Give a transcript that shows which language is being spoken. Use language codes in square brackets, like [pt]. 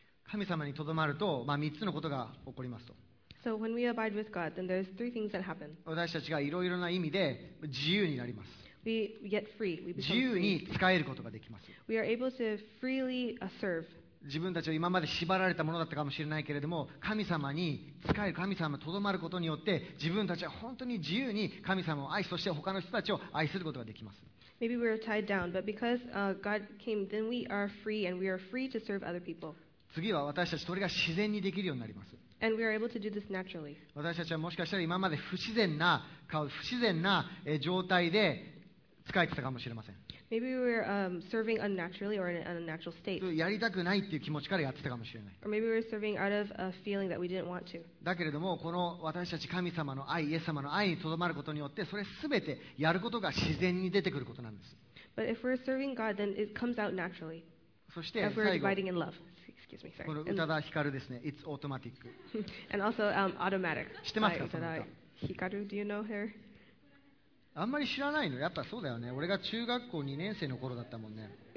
[ja] 神様にとどまると、まあ、3つのことが起こりますと。 [en] So when we abide with God, then there's three things that happen. [ja] 私たちがいろいろな意味で自由になります。 [en] We get free. We become free. [ja] 自由に使えることができます。 [en] We are able to freely serve. [ja] 自分たちは今まで縛られたものだったかもしれないけれども、神様に使える、神様にとどまることによって、自分たちは本当に自由に神様を愛、そして他の人たちを愛することができます。 [en] Maybe we are tied down, but because God came, then we are free, and we are free to serve other people. [ja] 次は私たち、それが自然にできるようになります。 [en] And we are able to do this naturally. [ja] 私たちはもしかしたら今まで不自然な顔、不自然な状態で、使えてたかもしれません。 [en] Maybe we're serving unnaturally or in an unnatural state. [ja] やりたくないっていう気持ちからやってたかもしれない。 [en] Or maybe we're serving out of a feeling that we didn't want to. [ja] だけれども、この私たち神様の愛、イエス様の愛にとどまることによって、それすべてやることが自然に出てくることなんです。 [en] But if we're serving God, then it comes out naturally. [ja] そして最後、 [en] if we're abiding in love. Excuse me, sorry. [ja] この宇多田ヒカルですね。 [en] It's automatic. And also automatic. [ja] 知ってますか、その歌。 [en] ヒカル、do you know her? [ja] あんまり知らないの。やっぱそうだよね。俺が中学校2年生の頃だったもんね。